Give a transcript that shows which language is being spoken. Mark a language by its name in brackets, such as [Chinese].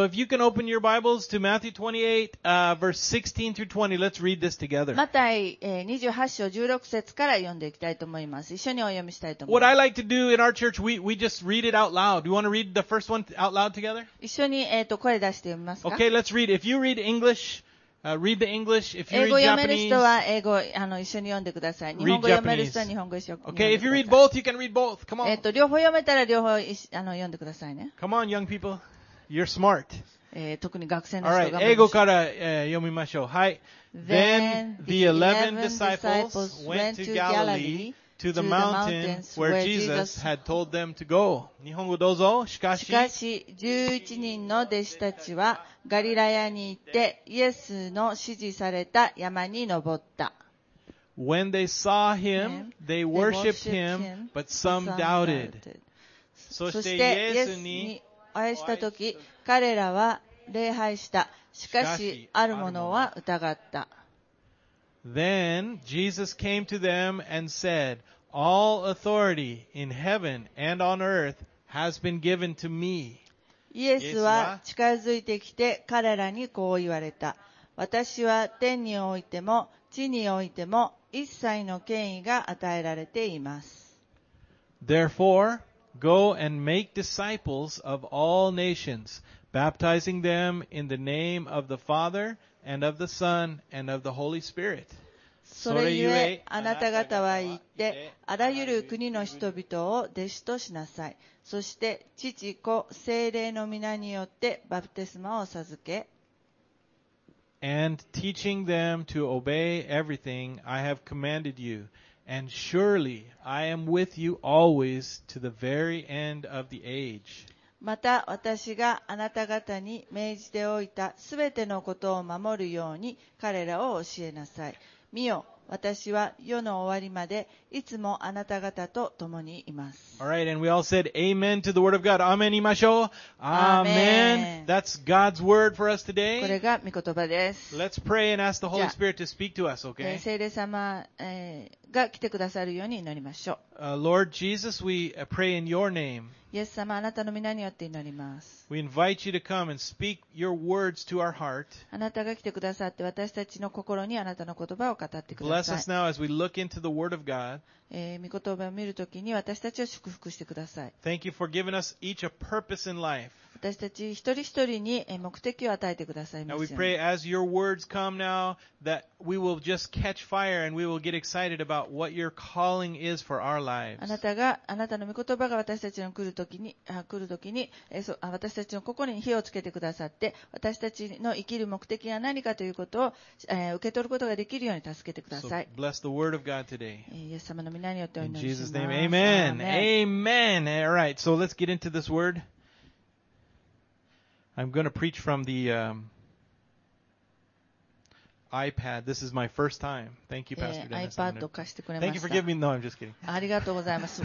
[English] So if you can open your Bibles to Matthew 28, verse 16 through 20, let's read this together. [Japanese] マタイ28章16節から読んでいきたいと思います。一緒にお読みしたいと思います。 [English] What I like to do in our church, we just read it out loud. Do you want to read the first one out loud together? [Japanese] 一緒に声出して読みますか [English] ？Okay, let's read. If you read English, read the English. If you read [Japanese] 英語読める人は英語一緒に読んでください。日本語読める人は日本語一緒に読んでください。 [English] Okay, if you read both, you can read both. Come on. [Japanese] 両方読めたら両方読んでくださいね。 [English] Come on, young people. You're smart. [Japanese] 特に学生の人が。 [English] Alright, [Japanese] 英語から読みましょう。はい。 [English] Then the 11 disciples went to Galilee to the mountain where Jesus had told them to go. [Japanese] 日本語どうぞ。しかし、11人の弟子たちはガリラヤに行ってイエスの指示された山に登った。 [English] When they saw him, they worshipped him, but some doubted. [Japanese] そしてイエスにお会いした時、彼らは礼拝した。しかし、ある者は疑った。 [English] Then Jesus came to them and said, All authority in heaven and on earth has been given to me. [Japanese] イエスは近づいてきて彼らにこう言われた。私は天においても地においても一切の権威が与えられています。 [English] Therefore, go and make disciples of all nations, baptizing them in the name of the Father,And of the Son and of the Holy Spirit. [Japanese] それゆえあなた方は言ってあらゆる国の人々を弟子としなさい。そして父子聖霊の御名によってバプテスマを授け。 [English] And teaching them to obey everything I have commanded you. And surely I am with you always to the very end of the age. [Japanese] また私があなた方に命じておいたすべてのことを守るように彼らを教えなさい。見よ、私は世の終わりまでいつもあなた方と共にいます。 [English] Alright, and we all said Amen to the Word of God. [Japanese] Amen 言いましょう。 [English] Amen. That's God's Word for us today. [Japanese] これが御言葉です。 [English] Let's pray and ask the Holy Spirit to speak to us, okay? [Japanese] 聖霊様、が来てくださるように祈りましょう。 [English] Lord Jesus, we pray in your name. [Japanese] イエス様、あなたの御名によって祈ります。 [English] We invite you to come and speak your words to our heart. [Japanese] あなたが来てくださって、私たちの心にあなたの言葉を語ってください。 [English] Bless us now as we look into the Word of God. [Japanese] 御言葉を見るときに私たちを祝福してください。 [English] Thank you for giving us each a purpose in life. [Japanese] 私たち一人一人に目的を与えてくださいます。 [English] Now we pray as your words come now that we will just catch fire and we will get excited about what your calling is for our lives. [Japanese] あなたの御言葉が私たちに来るときに、私たちの心に火をつけてくださって、私たちの生きる目的が何かということを、受け取ることができるように助けてください。 [English] So、bless the word of God today. [Japanese] イエス様の御名によってお祈りします。 [English] In Jesus' name, Amen. Amen. Amen. All right, so let's get into this word. I'm going to preach from the iPad. This is my first time. Thank you, Pastor Dennis. [Japanese] iPad 貸してくれました。 [English] Thank you for giving me. No, I'm just kidding. [Japanese] ありがとうございます。